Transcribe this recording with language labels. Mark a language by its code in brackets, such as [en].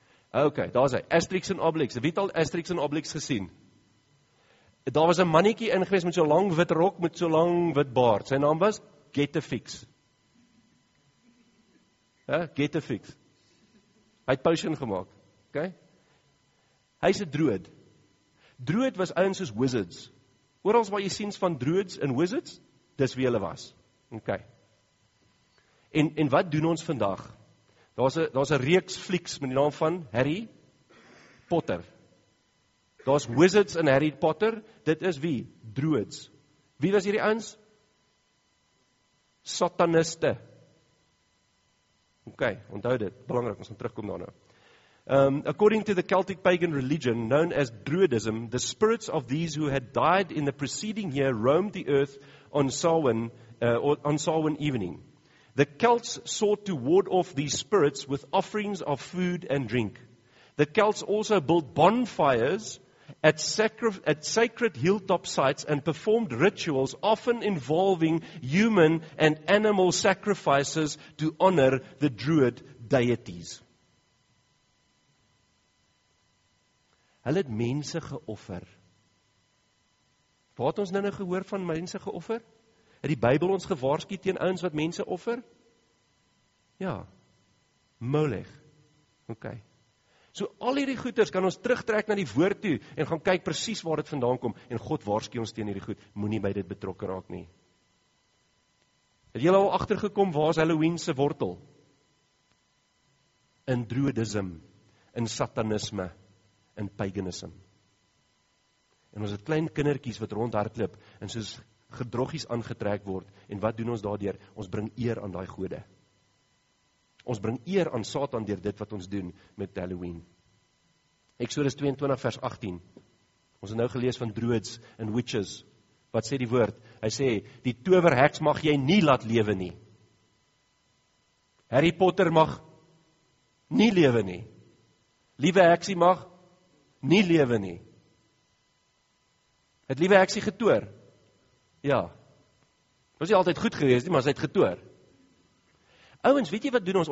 [af] Okay, daar is hy, Asterix en Obelix, wie het al Asterix en Obelix gesien? Daar was 'n mannetjie ingewees met so lang wit rok, met so lang wit baard, sy naam was Getafix. Getafix. Hy het potion gemaak, okay? Hy is 'n druid. Druid was ouens soos wizards. Oral waar jy sien van druids en wizards, dis wie hulle was. Okay. En wat doen ons vandag? Daar's 'n reeks flieks met die naam van Harry Potter. Daar's wizards in Harry Potter, dit is wie? Druids. Wie was hierdie ouens? Sataniste. Okay, onthou dit, belangrik, ons gaan terugkom daarna. [en] According to the Celtic pagan religion known as Druidism, the spirits of these who had died in the preceding year roamed the earth on Samhain evening. The Celts sought to ward off these spirits with offerings of food and drink. The Celts also built bonfires at sacred hilltop sites and performed rituals often involving human and animal sacrifices to honor the druid deities. [af] Hulle het mense geoffer. Waar het ons nou gehoor van mense geoffer? Het die Bybel ons gewaarsku teen ouens wat mense offer? Ja, Molech, ok. So al hierdie goeders kan ons terugtrek na die woord toe, en gaan kyk precies waar dit vandaan kom, en God waarsku ons teen hierdie goed, moet nie by dit betrokke raak nie. Het julle al achtergekom, waar is Halloween se wortel? In druidism, in satanisme, in paganism. En ons het klein kinderkies wat rondhardloop, en soos gedroggies aangetrek word, en wat doen ons daardeur? Ons bring eer aan die gode. Ons bring eer aan Satan deur dit wat ons doen met Halloween. Exodus 22 vers 18. Ons het nou gelees van druids en witches. Wat sê die woord? Hy sê, die toverheks mag jy nie laat lewe nie. Harry Potter mag nie lewe nie. Liewe heksie mag nie lewe nie. Het liewe heksie getoor? Ja. Was nie altyd goed gewees nie, maar sy het getoor. Ouens, weet jy wat doen ons?